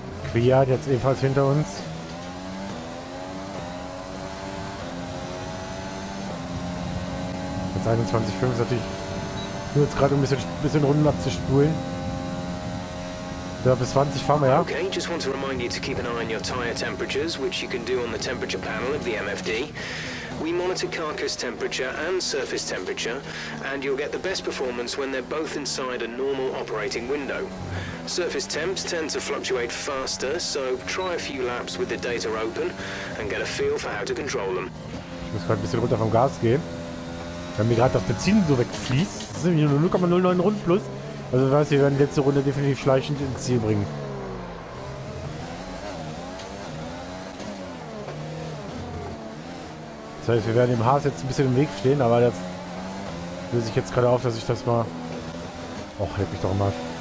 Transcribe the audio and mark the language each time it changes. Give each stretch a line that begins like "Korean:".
German: Kvyat jetzt ebenfalls hinter uns. Jetzt 21,5 ist natürlich nur jetzt gerade ein bisschen Runden abzuspulen. Ja, bis 20 fahren wir, ja.
English: Okay, just want to remind you to keep an eye on your tire temperatures, which you can do on the temperature panel of the MFD. We monitor carcass temperature and surface temperature, and you'll get the best performance when they're both inside a normal operating window. Surface temps tend to fluctuate faster, so try a few laps with the data open and get a feel for how to control them.
German: Ich muss gerade ein bisschen runter vom Gas gehen. Wenn mir gerade das Benzin so wegfließt, sind wir nur 0,09 Runden plus. Also weiß ich, wir werden letzte Runde definitiv schleichend ins Ziel bringen. Das heißt, wir werden dem Haas jetzt ein bisschen im Weg stehen, aber das löse ich jetzt gerade auf, dass ich das mal... Och, leck mich doch mal.